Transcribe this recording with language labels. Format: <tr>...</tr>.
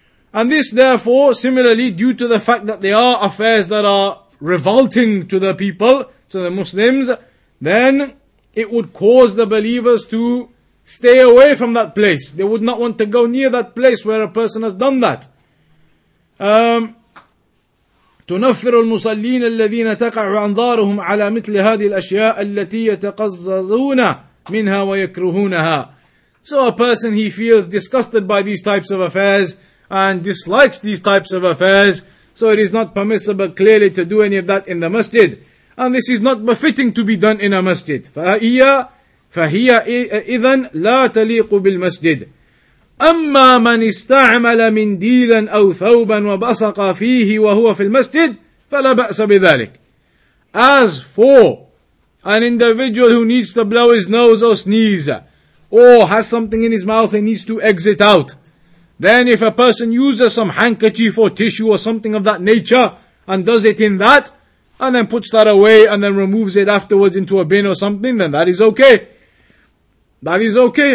<en>And this therefore, similarly, due to the fact that they are affairs that are revolting to the people, to the Muslims, then it would cause the believers to stay away from that place. They would not want to go near that place where a person has done that.</en> <ar>تنفر المصلين الذين تقع أنظارهم على مثل هذه الأشياء التي يتقززون منها ويكرهونها.</ar> <en>So a person, he feels disgusted by these types of affairs and dislikes these types of affairs, so it is not permissible clearly to do any of that in the masjid, and this is not befitting to be done in a masjid. فهي</en> <ar>فهي إذن لا تليق بالمسجد. أما من استعمل منديلا أو ثوبا وبصق فيه وهو في المسجد فلا بأس بذلك.</ar> <en>As for an individual who needs to blow his nose or sneeze, or has something in his mouth and needs to exit out, then if a person uses some handkerchief or tissue or something of that nature and does it in that, and then puts that away and then removes it afterwards into a bin or something, then that is okay. That is okay.</en>